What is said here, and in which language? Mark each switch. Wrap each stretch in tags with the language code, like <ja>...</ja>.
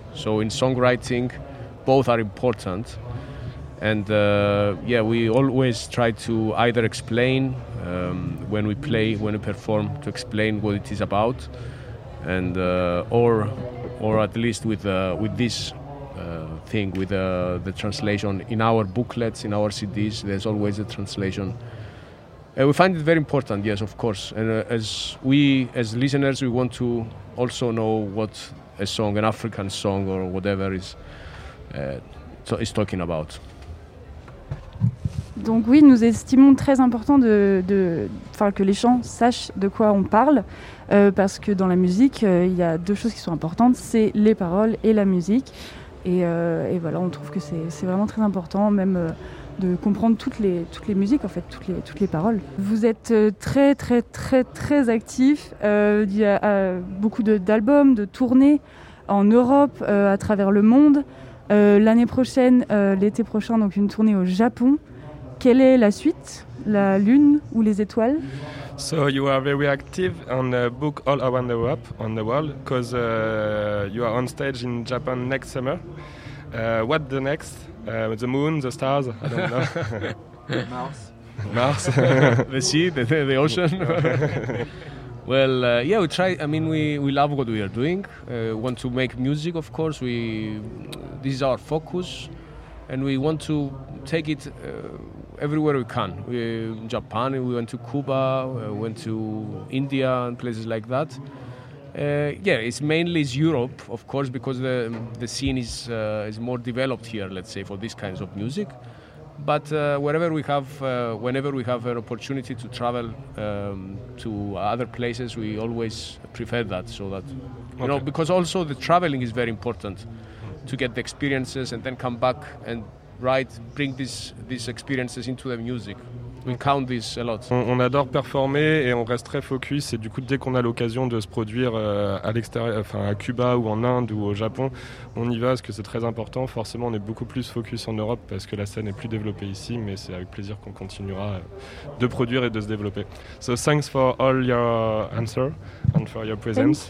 <en>So in songwriting, both are important. And we always try to either explain when we play, when we perform, to explain what it is about, and or at least with this thing, with the translation in our booklets, in our CDs, there's always a translation. And we find it very important, yes, of course. And as listeners, we want to also know what a song, an African song or whatever is talking about.</en> <fr>Donc oui, nous estimons très important que les gens sachent de quoi on parle, parce que dans la musique, il y a deux choses qui sont importantes, c'est les paroles et la musique. Et voilà, on trouve que c'est vraiment très important, même de comprendre toutes les musiques, en fait, toutes les paroles. Vous êtes très, très, très, très actifs. Il y a beaucoup d'albums, de tournées en Europe, à travers le monde. L'année prochaine, l'été prochain, donc une tournée au Japon. Quelle est la suite, la lune ou les étoiles?</fr> <en>So you are very active on the book all around Europe, on the world, because you are on stage in Japan next summer. What the next? The moon, the stars? I don't know. Mars. Mars. The sea, the ocean. Well, we try. I mean, we love what we are doing. Want to make music, of course. This is our focus, and we want to take it everywhere we can. We in Japan, we went to Cuba, we went to India and places like that. It's mainly Europe, of course, because the scene is more developed here, let's say, for these kinds of music. But whenever we have an opportunity to travel to other places, we always prefer that. So that, you know, because also the traveling is very important to get the experiences and then come back and write, bring these experiences into the music. We count this a lot.</en> <fr>On adore performer et on reste très focus. Et du coup, dès qu'on a l'occasion de se produire à l'extérieur, enfin à Cuba ou en Inde ou au Japon, on y va parce que c'est très important. Forcément, on est beaucoup plus focus en Europe parce que la scène est plus développée ici. Mais c'est avec plaisir qu'on continuera de produire et de se développer.</fr> <en>So thanks for all your answer and for your presence.</en>